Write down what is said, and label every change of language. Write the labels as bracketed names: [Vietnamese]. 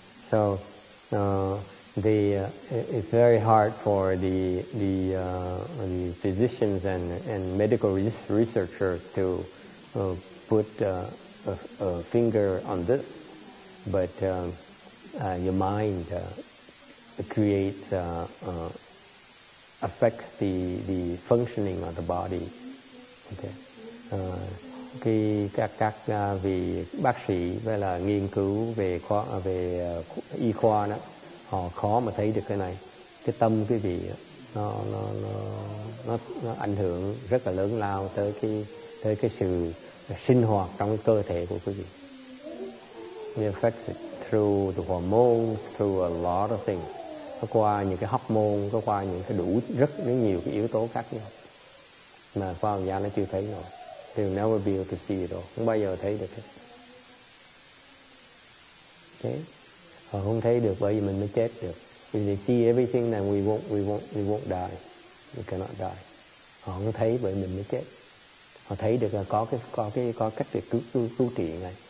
[English] So it's very hard for the physicians and medical researchers to put a finger on this, but your mind creates affects the functioning of the body. Okay. [Vietnamese] Khi các vị bác sĩ với là nghiên cứu về y khoa đó, họ khó mà thấy được cái này. Cái tâm quý vị nó ảnh hưởng rất là lớn lao tới cái sự sinh hoạt trong cơ thể của quý vị. [English] It affects it through the hormones, through a lot of things. [Vietnamese] Có qua những cái hormone, có qua những cái đủ rất nhiều cái yếu tố khác nhau. Mà khoa học gia nó chưa thấy rồi. [English] They'll never be able to see it all. [Vietnamese] Không bao giờ thấy được hết. Okay? Họ không thấy được bởi vì mình mới chết được. [English] If they see everything, then we won't die. We cannot die. [Vietnamese] Họ không thấy bởi mình mới chết. Họ thấy được là có cách để cứu trị ngay.